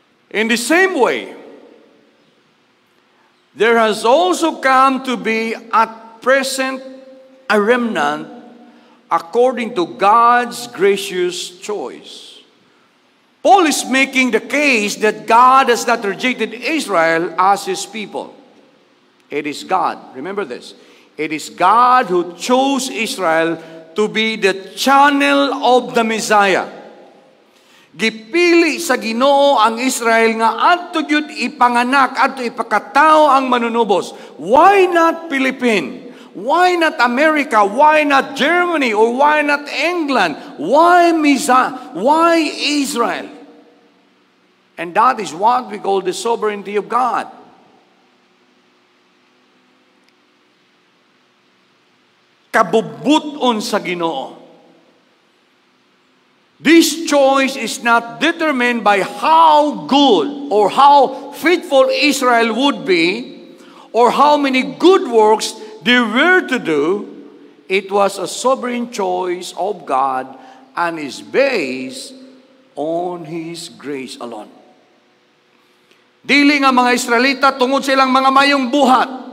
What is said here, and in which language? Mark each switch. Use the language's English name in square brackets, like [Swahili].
[English] In the same way, there has also come to be at present a remnant according to God's gracious choice. Paul is making the case that God has not rejected Israel as His people. It is God. Remember this. It is God who chose Israel to be the channel of the Messiah. [Cebuano] Gipili sa Ginoo ang Israel nga adto gyud ipanganak adto ipakatawo ang manunubos. [English] Why not Philippines? Why not America? Why not Germany? Or why not England? Why Israel? And that is what we call the sovereignty of God. [Cebuano] Kabubuton sa Ginoo. [English] This choice is not determined by how good or how faithful Israel would be or how many good works they were to do. It was a sovereign choice of God and is based on His grace alone. [Cebuano] Dili nga mga Israelita tungod sa ilang mga mayong buhat.